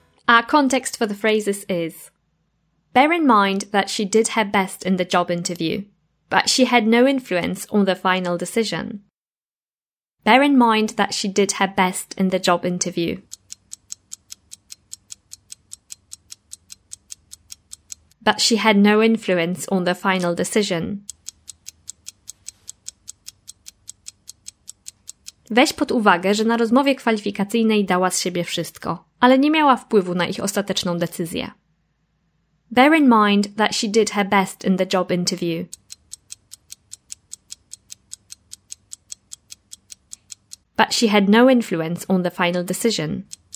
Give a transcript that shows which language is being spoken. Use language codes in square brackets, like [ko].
[en] Our context for the phrases is, bear in mind that she did her best in the job interview, but she had no influence on the final decision. Bear in mind that she did her best in the job interview. But she had no influence on the final decision. [pl] Weź pod uwagę, że na rozmowie kwalifikacyjnej dała z siebie wszystko, ale nie miała wpływu na ich ostateczną decyzję. [en] Bear in mind that she did her best in the job interview. But she had no influence on the final decision.